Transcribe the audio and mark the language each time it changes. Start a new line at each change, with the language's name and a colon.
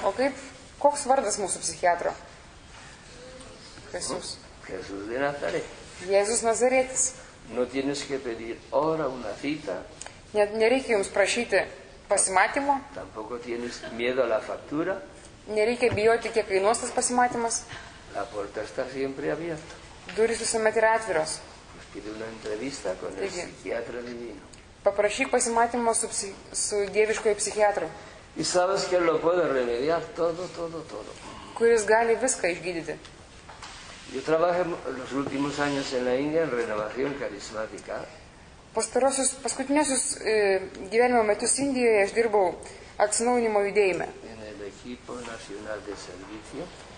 Lithuanian: O kaip, koks vardas mūsų psichiatro?
Spanish: Jesús. Jesús de Nazaret.
Lithuanian: Jesús Nazaretis.
Spanish: No tienes que pedir ahora una cita.
Lithuanian: Nereikia jums prašyti pasimatymo.
Spanish: Tampoco tienes miedo a la factura.
Lithuanian: Nereikia bijoti, kiek kainuos tas pasimatymas.
Spanish: La puerta está siempre abierta.
Lithuanian: Durys visuomet yra atviros.
Spanish: Pide una entrevista con el psiquiatra divino.
Lithuanian: Paprašyk pasimatymo su dieviškoju psichiatru.
Spanish: Y sabes que lo puede remediar todo.
Lithuanian: Kuris gali viską išgydyti.
Spanish: Yo trabajé los últimos años en la India en renovación carismática.
Lithuanian: Paskutiniosius gyvenimo metus Indijoje aš dirbau atsinaujinimo judėjime.
Spanish: En el equipo nacional de servicio.